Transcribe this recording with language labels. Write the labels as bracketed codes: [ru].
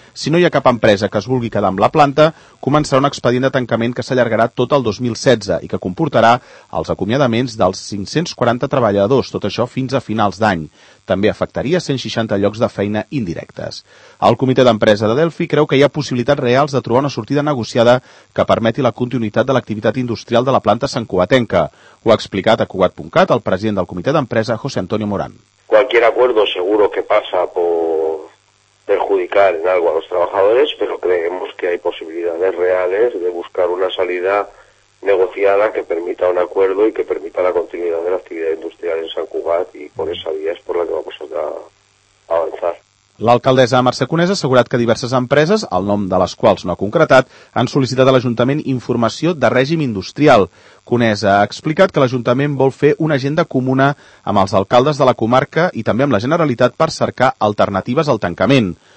[ca] Si no hi ha cap empresa que es vulgui quedar amb la planta, començarà un expedient de tancament que s'allargarà tot el 2016 i que comportarà els acomiadaments dels 540 treballadors, tot això fins a finals d'any. També afectaria 160 llocs de feina indirectes. El comitè d'empresa de Delphi creu que hi ha possibilitats reals de trobar una sortida negociada que permeti la continuïtat de l'activitat industrial de la planta santcugatenca. Ho ha explicat a Cugat.cat el president del comitè d'empresa, José Antonio Morán. [es] Cualquier acuerdo seguro que pasa por perjudicar en algo a los trabajadores, pero creemos que hay posibilidades reales de buscar una salida negociada que permita un acuerdo y que permita la continuidad de la actividad industrial en Sant Cugat, y por esa vía es por la que vamos a avanzar. [ca] L'alcaldessa Mercè Conesa ha assegurat que diverses empreses, el nom de les quals no ha concretat, han sol·licitat a l'Ajuntament informació de règim industrial. Conesa ha explicat que l'Ajuntament vol fer una agenda comuna amb els alcaldes de la comarca i també amb la Generalitat per cercar alternatives al tancament.